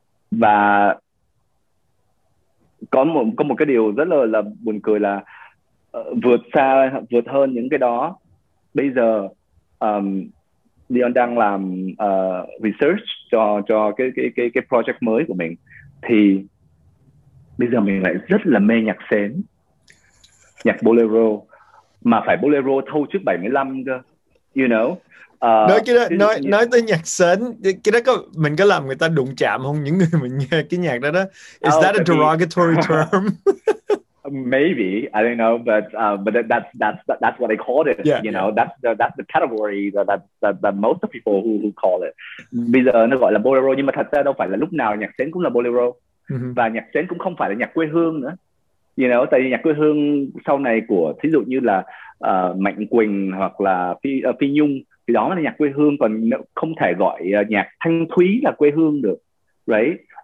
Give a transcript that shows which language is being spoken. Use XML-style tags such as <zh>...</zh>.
<vi>Và có một cái điều rất là buồn cười là vượt hơn những cái đó, bây giờ Leon đang làm research cho cái project mới của mình, thì bây giờ mình lại rất là mê nhạc sến, nhạc bolero, mà phải bolero thâu trước 75 cơ,</vi> <en>you know.</en> <vi>Nói tới nhạc sến, cái đó có, mình có làm người ta đụng chạm không, những người mình nghe cái nhạc đó?</vi> <en>Is that a derogatory term? Maybe, I don't know, but that's what they call it. Yeah, you know, that's the category that most of people who call it.</en> <vi>Bây giờ nó gọi là bolero, nhưng mà thật ra đâu phải là lúc nào nhạc sến cũng là bolero. Và nhạc sến cũng không phải là nhạc quê hương nữa.</vi> <en>You know,</en> <vi>tại vì nhạc quê hương sau này của thí dụ như là Mạnh Quỳnh hoặc là Phi Nhung thì đó là nhạc quê hương, còn không thể gọi nhạc Thanh Thúy là quê hương được.</vi> <en>Right?</en>